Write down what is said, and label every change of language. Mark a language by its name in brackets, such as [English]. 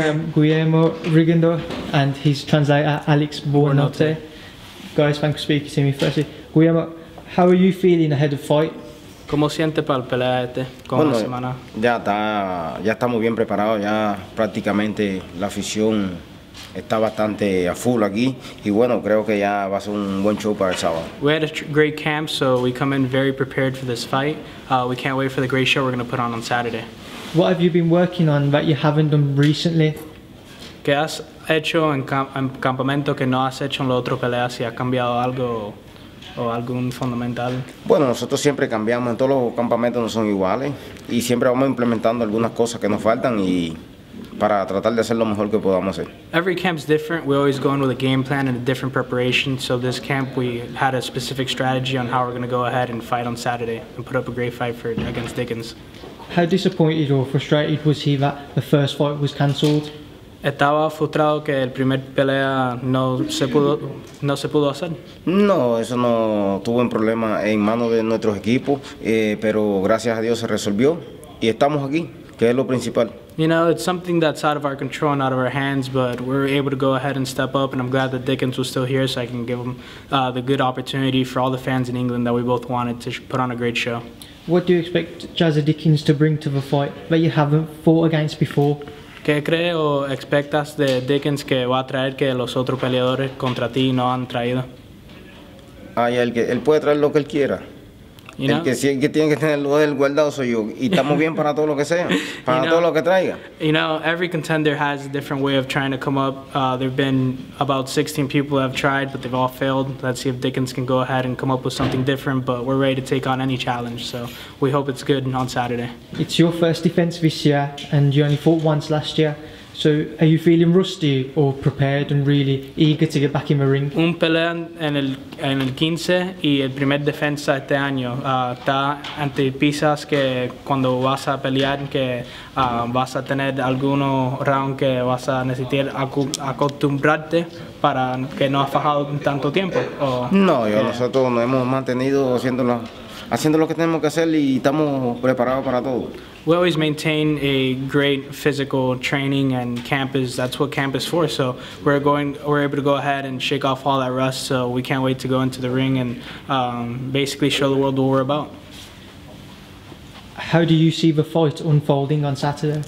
[English] I'm Guillermo Rigondo, and he's translator Alex Buonotte. Guys, thanks for speaking to me. Firstly, Guillermo, how are you feeling ahead of fight? [Spanish] ¿Cómo siente para el pelea este? ¿Cómo bueno, la semana? Ya estamos bien preparados. Ya prácticamente la afición está bastante a full aquí. Y bueno, creo que ya va a ser un buen show para el sábado. [English] We had a great camp, so we come in very prepared for this fight. We can't wait for the great show we're going to put on Saturday. What have you been working on that you haven't done recently? [Spanish] ¿Qué has hecho en campamento que no has hecho en la otra pelea? ¿Si ha cambiado algo? ¿O algún fundamental? Bueno, nosotros siempre cambiamos, en todos los campamentos no son iguales y siempre vamos implementando algunas cosas que nos faltan y para tratar de hacer lo mejor que podamos hacer. [English] Every camp is different. We always go in with a game plan and a different preparation. So this camp we had a specific strategy on how we're going to go ahead and fight on Saturday and put up a great fight for against Dickens. How disappointed or frustrated was he that the first fight was cancelled? [Spanish] ¿Estaba frustrado que el primer pelea no se pudo hacer? No, eso no tuvo un problema en manos de nuestros equipos, pero gracias a Dios se resolvió y estamos aquí, que es lo principal. [English] You know, it's something that's out of our control and out of our hands, but we're able to go ahead and step up, and I'm glad that Dickens was still here so I can give him the good opportunity for all the fans in England that we both wanted to put on a great show. What do you expect Jazza Dickens to bring to the fight that you haven't fought against before? [Spanish] ¿Qué crees o expectas de Dickens que va a traer que los otros peleadores contra ti no han traído? Ay, él puede traer lo que él quiera. [English] You know? [Spanish] El que tiene que tener el guardado soy yo. Y estamos bien para todo lo que sea, para [English] you know, [Spanish] todo lo que traiga. [English] You know, every contender has a different way of trying to come up. There have been about 16 people that have tried, but they've all failed. Let's see if Dickens can go ahead and come up with something different, but we're ready to take on any challenge. So we hope it's good on Saturday. It's your first defense this year, and you only fought once last year. So are you feeling rusty or prepared and really eager to get back in the ring? [Spanish] Un pelea en el 15 y el primer defensa este año. ¿Está anticipas que cuando vas a pelear que vas a tener alguno round que vas a necesitar acostumbrarte para que no has fajado tanto tiempo? ¿O? No, yo nosotros nos hemos mantenido haciendo lo que tenemos que hacer y estamos preparados para todo. [English] We always maintain a great physical training and campus. That's what camp is for. So we're able to go ahead and shake off all that rust. So we can't wait to go into the ring and basically show the world what we're about. How do you see the fight unfolding on Saturday?